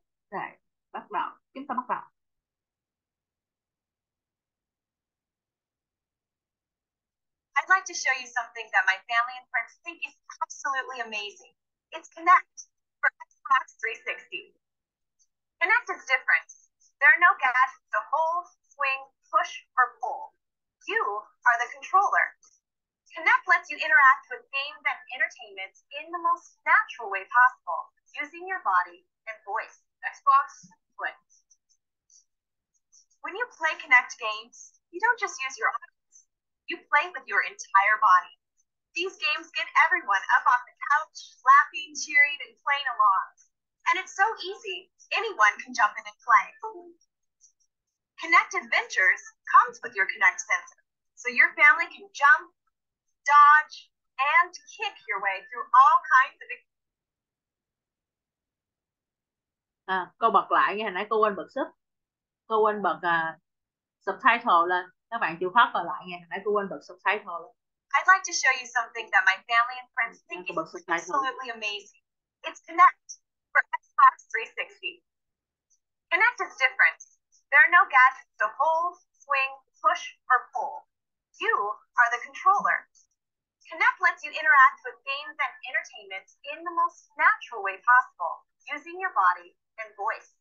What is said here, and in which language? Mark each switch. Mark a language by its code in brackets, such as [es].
[vi] Rồi, bắt đầu, chúng ta bắt đầu. [en] I'd like to show you something that my family and friends think is absolutely amazing. It's Kinect for Xbox 360. Kinect is different. There are no gadgets to hold, swing, push, or pull. You are the controller. Kinect lets you interact with games and entertainment in the most natural way possible, using your body and voice. Xbox, click. When you play Kinect games, you don't just use your eyes. You play with your entire body. These games get everyone up off the couch, laughing, cheering, and playing along. And it's so easy, anyone can jump in and play. Kinect Adventures comes with your Kinect sensor, so your family can jump, dodge, and kick your way through all kinds of experiences. [vi] À, cô bật lại nghe, hồi nãy cô quên bật sub. Cô quên bật subtitle lên. Các bạn chịu khó coi lại nghe, hồi nãy cô quên bật subtitle lên. [en] I'd like to show you something that my family and friends think is absolutely amazing. It's Kinect for Xbox 360. Kinect is different. There are no gadgets to hold, swing, push, or pull. You are the controller. Kinect lets you interact with games and entertainment in the most natural way possible, using your body and voice.